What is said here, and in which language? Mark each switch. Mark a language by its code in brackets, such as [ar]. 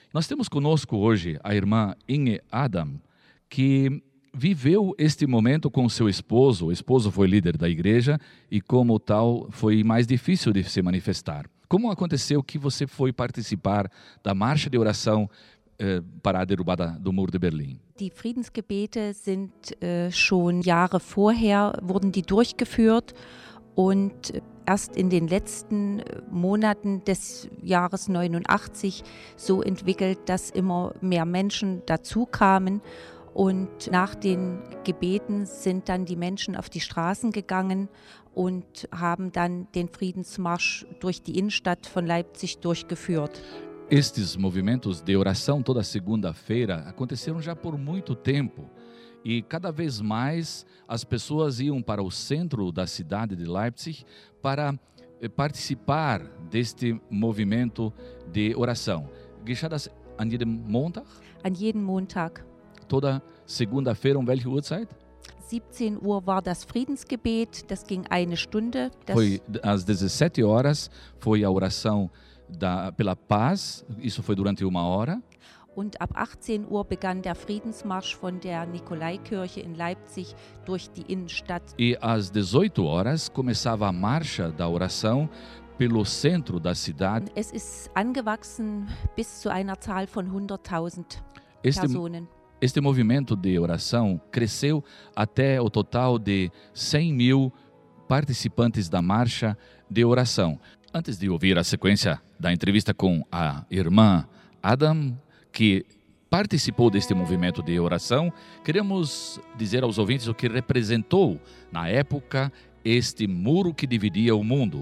[pt] Nós temos conosco hoje a irmã Inge Adam, que viveu este momento com seu esposo. O esposo foi líder da igreja e, como tal, foi mais difícil de se manifestar. Como aconteceu que você foi participar da marcha de oração para a derrubada do Muro de Berlim? [de] Die Friedensgebete sind schon Jahre vorher wurden die durchgeführt und erst in den letzten Monaten des Jahres 89 so entwickelt, dass immer mehr Menschen dazu kamen. Und nach den Gebeten sind dann die Menschen auf die Straßen gegangen und haben dann den Friedensmarsch durch die Innenstadt von Leipzig durchgeführt. [pt] Estes movimentos de oração toda segunda-feira aconteceram já por muito tempo. E cada vez mais as pessoas iam para o centro da cidade de Leipzig para participar deste movimento de oração. [de] Geschadas an jedem Montag? An jedem Montag. [pt] Toda segunda-feira, [de] um welche Uhrzeit? 17 Uhr war das Friedensgebet, das ging eine Stunde. Das [pt] foi às 17 horas, foi a oração pela paz, isso foi durante uma hora. [de] Und ab 18 Uhr begann der Friedensmarsch von der Nikolaikirche in Leipzig durch die Innenstadt. [pt] E às 18 horas começava a marcha da oração pelo centro da cidade. [de] Es ist angewachsen bis zu einer Zahl von 100.000 Personen. [pt] Este movimento de oração cresceu até o total de 100 mil participantes da marcha de oração. Antes de ouvir a sequência da entrevista com a irmã Adam, que participou deste movimento de oração, queremos dizer aos ouvintes o que representou, na época, este muro que dividia o mundo.